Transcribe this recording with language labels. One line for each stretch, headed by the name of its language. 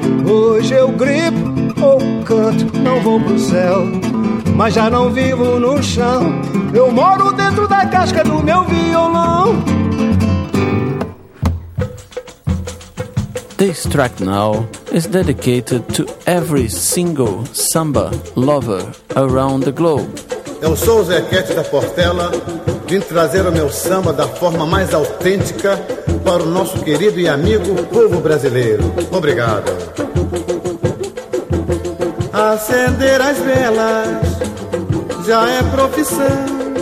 Portuguese: Hoje eu gripo ou canto, não vou pro céu, mas já não vivo no chão. Eu moro dentro da casca do meu violão.
English: This track now is dedicated to every single samba lover around the globe.
Portuguese: Eu sou o Zequete da Portela, vim trazer o meu samba da forma mais autêntica para o nosso querido e amigo povo brasileiro. Obrigado. Acender as velas já é profissão.